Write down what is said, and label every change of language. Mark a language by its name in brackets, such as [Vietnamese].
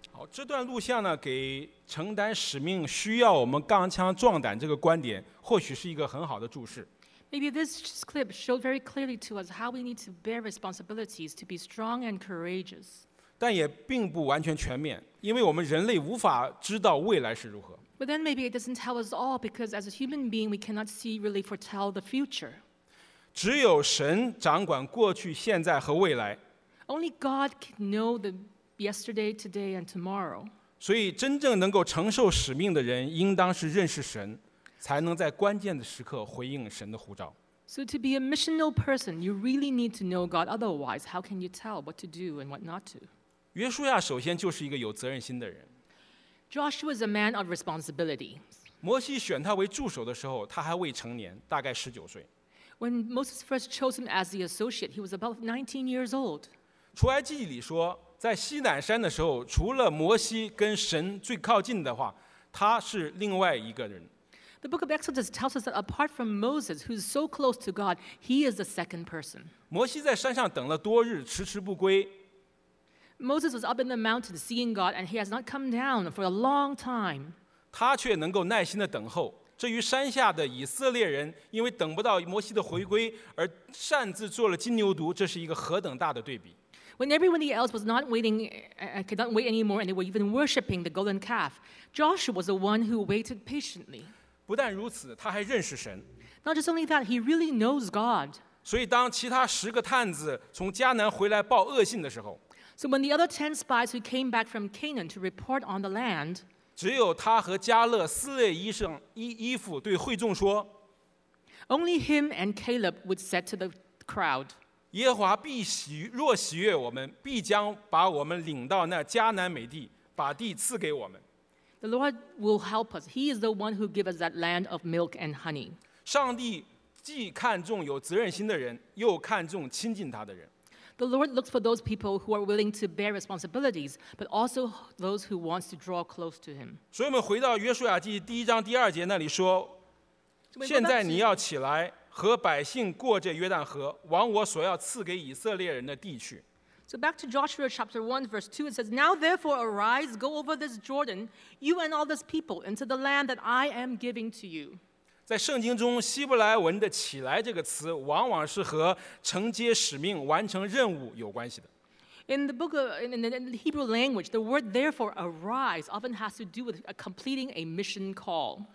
[Chinese] 这段录像呢，给承担使命需要我们钢枪壮胆这个观点，或许是一个很好的注释。 [English] Maybe this clip showed very clearly to us how we need to bear responsibilities to be strong and courageous. [Chinese] 但也并不完全全面，因为我们人类无法知道未来是如何。 [English] But then maybe it doesn't tell us all because as a human being we cannot see really foretell the future. [Chinese] 只有神掌管过去、现在和未来。 [English] Only God can know the yesterday, today, and tomorrow. [Chinese] 所以真正能够承受使命的人应当是认识神，才能在关键的时刻回应神的呼召。 [English] So to be a missional person, you really need to know God. Otherwise, how can you tell what to do and what not to? [Chinese] 约书亚首先就是一个有责任心的人。 [English] Joshua is a man of responsibility. [Chinese] 摩西选他为助手的时候，他还未成年，大概十九岁。 [English] When Moses first chose him as the associate, he was about 19 years old. [Chinese] 出埃及记里说，在西乃山的时候，除了摩西跟神最靠近的话，他是另外一个人。 [English] The book of Exodus tells us that apart from Moses, who is so close to God, he is the second person. [Chinese] 摩西在山上等了多日，迟迟不归。 [English] Moses was up in the mountain seeing God, and he has not come down for a long time. [Chinese] 他却能够耐心地等候，这与山下的以色列人因为等不到摩西的回归而擅自做了金牛犊，这是一个何等大的对比。 [English] When everyone else was not waiting, could not wait anymore, and they were even worshiping the golden calf, Joshua was the one who waited patiently. [Chinese] 不但如此，他还认识神。 [English] Not just only that, he really knows God. [Chinese] 所以当其他十个探子从迦南回来报恶信的时候， [English] So when the other 10 spies who came back from Canaan to report on the land, [Chinese] 只有他和迦勒撕裂衣服对会众说， [English] Only him and Caleb would say to the crowd, [Chinese] 耶和华必喜若喜悦我们，必将把我们领到那迦南美地，把地赐给我们。 [English] The Lord will help us. He is the one who gives us that land of milk and honey. [Chinese] 上帝既看重有责任心的人，又看重亲近他的人。 [English] The Lord looks for those people who are willing to bear responsibilities, but also those who want to draw close to Him. [Chinese] 所以我们回到约书亚记第一章第二节那里说，现在你要起来。和百姓过这约旦河，往我所要赐给以色列人的地去。 [English] So back to Joshua chapter 1 verse 2, it says, Now therefore arise, go over this Jordan, you and all this people, into the land that I am giving to you. [Chinese] 在圣经中，希伯来文的起来这个词，往往是和承接使命、完成任务有关系的。 [English] In the book of, in the Hebrew language, the word therefore arise often has to do with completing a mission call.